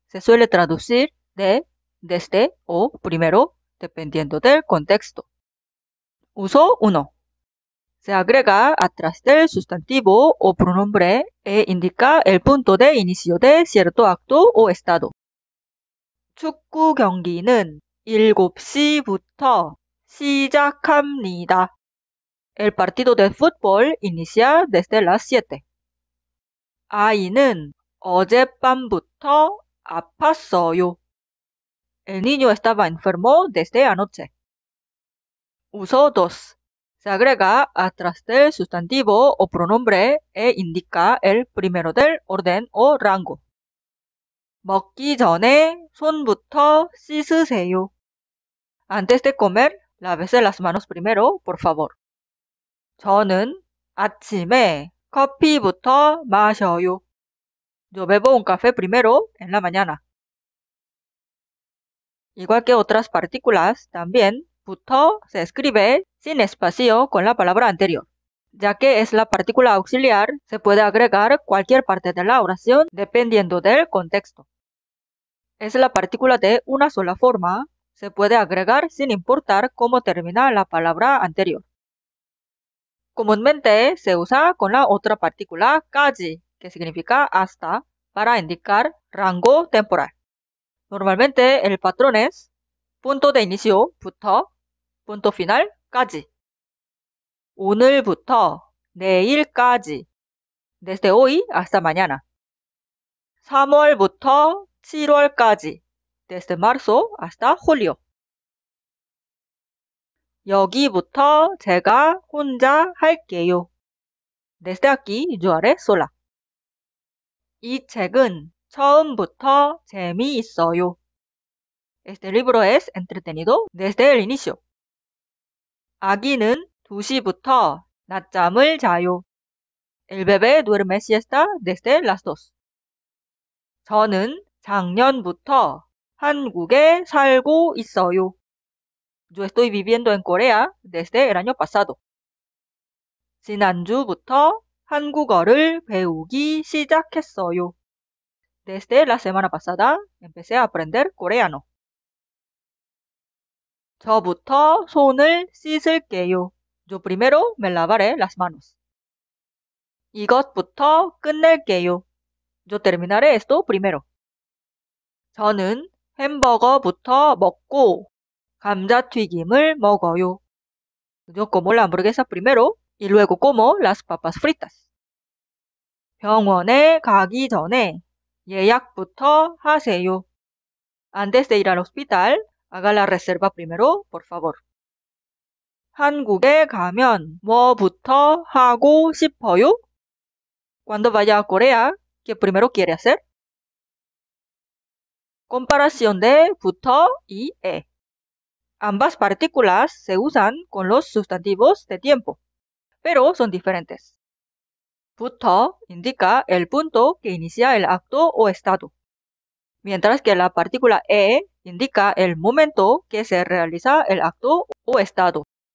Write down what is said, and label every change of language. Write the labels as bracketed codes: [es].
[es] Se suele traducir de, desde o primero, dependiendo del contexto. Uso 1. Se agrega atrás del sustantivo o pronombre e indica el punto de inicio de cierto acto o estado. [ko] 축구 경기는 7시부터 시작합니다. [es] El partido de fútbol inicia desde las 7. [ko] 아이는 어젯밤부터 아팠어요. [es] El niño estaba enfermo desde anoche. Uso 2. Se agrega atrás del sustantivo o pronombre e indica el primero del orden o rango. [ko] 먹기 전에 손부터 씻으세요. [es] Antes de comer, lávese las manos primero, por favor. [ko] 저는 아침에 커피부터 마셔요. [es] Yo bebo un café primero en la mañana. Igual que otras partículas, también, puto se escribe sin espacio con la palabra anterior. Ya que es la partícula auxiliar, se puede agregar cualquier parte de la oración dependiendo del contexto. Es la partícula de una sola forma, se puede agregar sin importar cómo termina la palabra anterior. Comúnmente se usa con la otra partícula 까지, que significa hasta, para indicar rango temporal. Normalmente el patrón es punto de inicio, 부터, punto final, 까지. [ko] 오늘부터 내일까지. [es] Desde hoy hasta mañana. [ko] 3월부터 7월까지. [es] Desde marzo hasta julio. [ko] 여기부터 제가 혼자 할게요. [es] Desde aquí yo haré sola. [ko] 이 책은 처음부터 재미있어요. [es] Este libro es entretenido desde el inicio. [ko] 아기는 2시부터 낮잠을 자요. [es] El bebé duerme siesta desde las 2. [ko] 저는 작년부터 한국에 살고 있어요. [es] Yo estoy viviendo en Corea desde el año pasado. [ko] 지난주부터 한국어를 배우기 시작했어요. [es] Desde la semana pasada empecé a aprender coreano. [ko] 저부터 손을 씻을게요. [es] Yo primero me lavaré las manos. [ko] 이것부터 끝낼게요. [es] Yo terminaré esto primero. [ko] 저는 햄버거부터 먹고 감자튀김을 먹어요. [es] Yo como la hamburguesa primero y luego como las papas fritas. [ko] 병원에 가기 전에 예약부터 하세요. [es] Antes de ir al hospital, haga la reserva primero, por favor. [ko] 한국에 가면 뭐부터 하고 싶어요? [es] Cuando vaya a Corea, ¿qué primero quiere hacer? Comparación de 부터 y 에. Ambas partículas se usan con los sustantivos de tiempo, pero son diferentes. 부터 indica el punto que inicia el acto o estado, mientras que la partícula 에 indica el momento que se realiza el acto o estado.